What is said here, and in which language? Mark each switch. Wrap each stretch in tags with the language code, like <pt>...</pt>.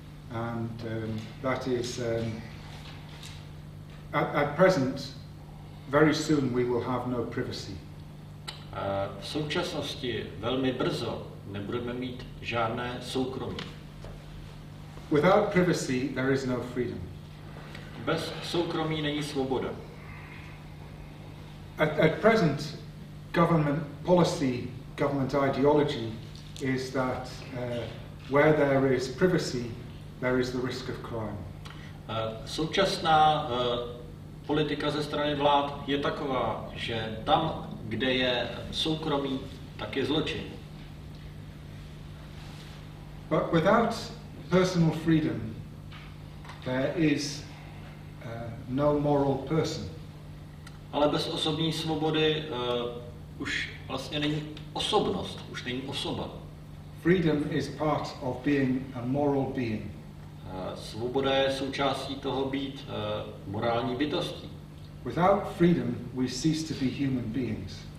<en>And that is, at present, very soon we will have no privacy.</en> <cs>V současnosti velmi brzo nebudeme mít žádné soukromí.</cs> <en>Without privacy, there is no freedom.</en> <cs>Bez soukromí není svoboda.</cs> <en>At present, government policy, government ideology is that where there is privacy, there is the risk of crime.</en> <cs>Současná politika ze strany vlád je taková, že tam, kde je soukromí, tak je zločin.</cs> <en>But without personal freedom, there is no moral person.</en> <cs>Ale bez osobní svobody už vlastně není osobnost, už není osoba.</cs> <en>Freedom is part of being a moral being.</en> <cs>Svoboda je součástí toho být morální bytostí.</cs> <en>Without freedom, we cease to be human beings.</en>